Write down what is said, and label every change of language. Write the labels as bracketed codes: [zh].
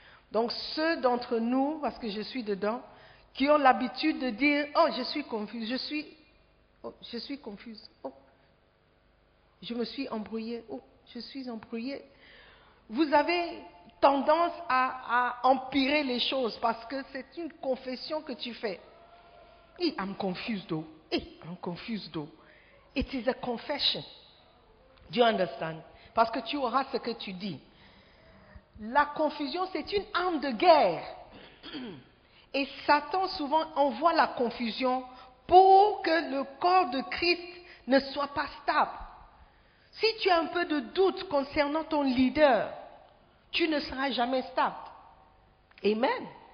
[fr] Donc ceux d'entre nous, parce que je suis dedans, qui ont l'habitude de dire « Oh, je suis confus, je suis confuse. Oh, je me suis embrouillée. Oh, je suis embrouillée. » Vous avez tendance à empirer les choses parce que c'est une confession que tu fais. [en] « I'm confused though. I'm confused though. » It is a confession. Do you understand? [fr] Parce que tu auras ce que tu dis. La confusion, c'est une arme de guerre. Et Satan souvent envoie la confusion pour que le corps de Christ ne soit pas stable. Si tu as un peu de doute concernant ton leader, tu ne seras jamais stable. Amen.